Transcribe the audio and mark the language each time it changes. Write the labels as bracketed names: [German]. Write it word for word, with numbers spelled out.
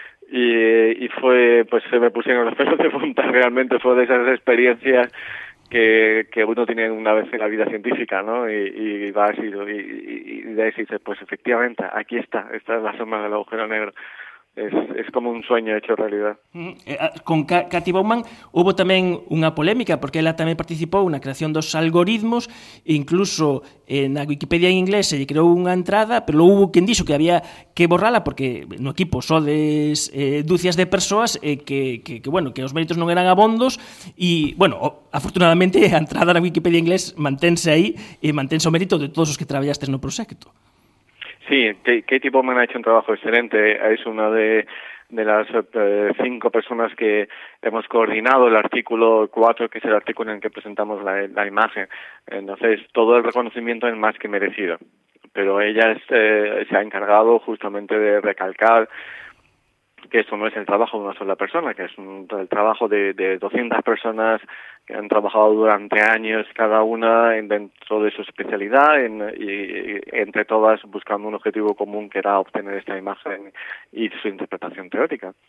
[Spanish] y, y fue, pues se me pusieron los pelos de punta realmente, fue de esas experiencias que, que uno tiene una vez en la vida científica, ¿no? Y, y vas y, y, y de ahí dices, pues efectivamente, aquí está, esta es la sombra del agujero negro. Es, es como un sueño hecho realidad. [Galician] Con Kathy Baumann hubo tamén unha polémica, porque ela tamén participou na creación dos algoritmos, e incluso eh, na Wikipedia en inglés se lle creou unha entrada, pero houbo quen dixo que había que borrala, porque no equipo sodes eh, dúcias de persoas eh, que, que, que, bueno, que os méritos non eran abondos, e, bueno, afortunadamente a entrada na Wikipedia en inglés mantense aí, e mantense o mérito de todos os que traballastes no proxecto. [Spanish] Sí, Kathy Baumann ha hecho un trabajo excelente. Es una de, de las eh, cinco personas que hemos coordinado el artículo cuatro, que es el artículo en el que presentamos la, la imagen. Entonces, todo el reconocimiento es más que merecido. Pero ella es, eh, se ha encargado justamente de recalcar que esto no es el trabajo de una sola persona, que es un, el trabajo de, de doscientas personas que han trabajado durante años, cada una dentro de su especialidad, en, y, y entre todas buscando un objetivo común que era obtener esta imagen y su interpretación teórica.